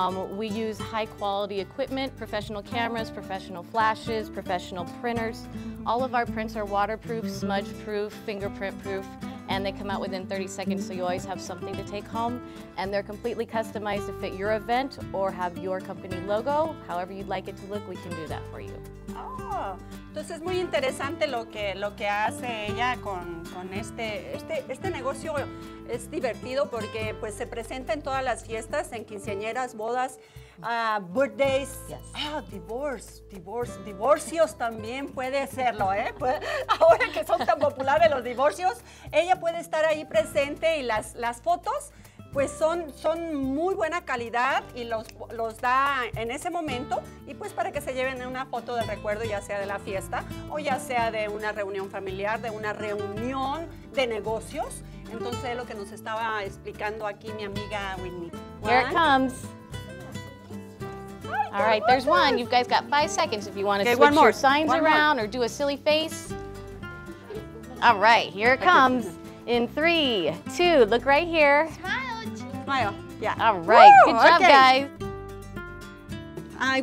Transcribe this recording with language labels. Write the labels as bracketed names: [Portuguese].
[English] We use high quality equipment, professional cameras, professional flashes, professional printers. All of our prints are waterproof, smudge proof, fingerprint proof, and they come out within 30 seconds, so you always have something to take home. And they're completely customized to fit your event or have your company logo. However you'd like it to look, we can do that for you. [Spanish] Oh, entonces muy interesante lo que hace ella con este negocio. Es divertido porque pues se presenta en todas las fiestas, en quinceañeras, bodas, birthdays. [English] Yes. [Spanish] Oh, divorcios también puede serlo, ¿eh? Pues, ahora que son tan populares los divorcios, ella puede estar ahí presente y las fotos pues son muy buena calidad y los da en ese momento, y pues para que se lleven una foto de recuerdo, ya sea de la fiesta o ya sea de una reunión familiar, de una reunión de negocios. Entonces, lo que nos estaba explicando aquí mi amiga Whitney. [English] Here it comes. All right, there's one. You guys got 5 seconds if you want to switch your signs around or do a silly face. All right, here it comes. In 3, 2, look right here. Smile, yeah. All right. Woo! Good job, okay. Guys.